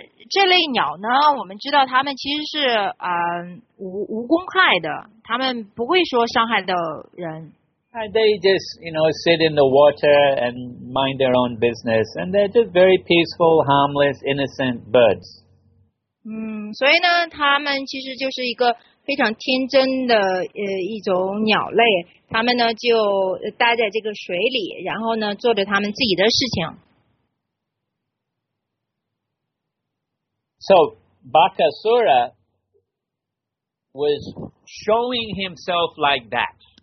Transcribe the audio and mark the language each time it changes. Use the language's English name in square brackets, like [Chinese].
[Chinese] 这类鸟呢，我们知道它们其实是无公害的，它们不会说伤害到人。 [English] They just, you know, sit in the water and mind their own business, and they're just very peaceful, harmless, innocent birds. [Chinese] 所以呢，它们其实就是一个非常天真的一种鸟类，它们呢就待在这个水里，然后呢做着它们自己的事情。 [English] So, Bakasura was showing himself like that.